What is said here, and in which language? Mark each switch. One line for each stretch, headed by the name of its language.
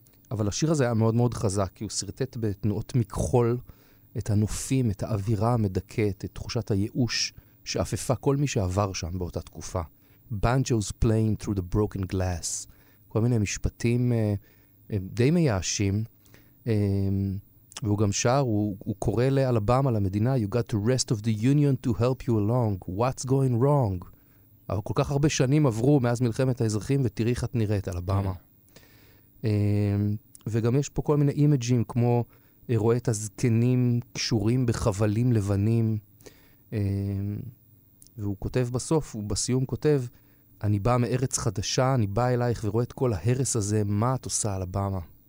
Hebrew: אבל השיר הזה היה מאוד מאוד חזק, כי הוא סרטט בתנועות מכחול את הנופים, את האווירה המדכאת, את תחושת הייאוש שאפפה כל מי שעבר שם באותה תקופה.
English: Banjos playing through the broken glass.
Hebrew: כל מיני משפטים די מייאשים. והוא גם שר, הוא קורא לאלבמה, למדינה,
English: You got the rest of the union to help you along. What's going wrong?
Hebrew: אבל כל כך הרבה שנים עברו מאז מלחמת האזרחים, ותראי איך את נראית, אלבמה. וגם יש פה כל מיני אימג'ים, כמו רואה את הזקנים קשורים בחבלים לבנים. והוא כותב בסוף, הוא בסיום כותב, אני בא מארץ חדשה, אני בא אלייך ורואה את כל ההרס הזה, מה את עושה אלבמה?